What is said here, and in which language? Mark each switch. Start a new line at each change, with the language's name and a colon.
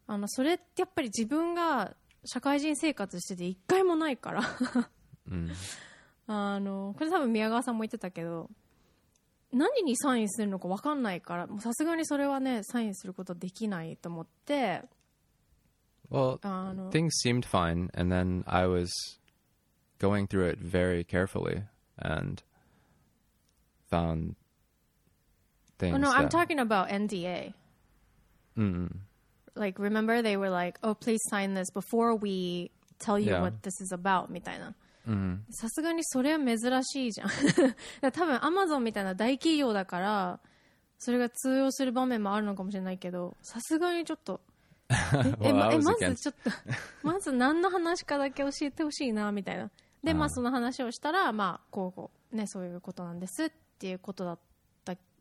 Japanese: あのそれってやっぱり自分が社会人生活してて一回もないから、うん、あのこれ多分宮川さんも言ってたけど、何にサインするのか分かんないから、もうさすがにそれはねサインすることできないと思って、
English: Well, things seemed fine and then I was going through it very carefully and found things. Oh, no, I'm talking about NDA. Mm-hmm. Like, remember they were like, oh, please sign this before we tell you what this is about,
Japanese: みたいな。さすがにそれは珍しいじゃん。だ多分 Amazon みたいな大企業だから、それが通用する場面もあるのかもしれないけど、さすがにちょっと。 well, まずちょっとまず何の話かだけ教えてほしいなみたいな。で、まあその話をしたら、まあこうこうね、そういうことなんですっていうことだった。